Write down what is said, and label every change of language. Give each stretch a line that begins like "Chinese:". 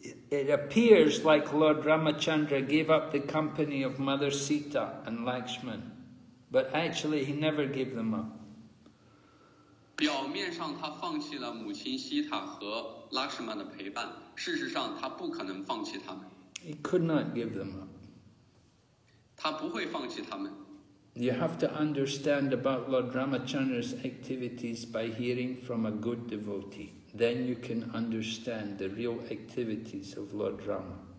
English: It appears like Lord Ramachandra gave up the company of Mother Sita and Lakshman, but actually he never gave them up.
Chinese: 表面上他放弃了母亲西塔和拉什曼的陪伴，事实上他不可能放弃他们。
English: He could not give them up.
Chinese: 他不会放弃他们。
English: You have to understand about Lord Ramachandra's activities by hearing from a good devotee. Then you can understand the real activities of Lord Rama.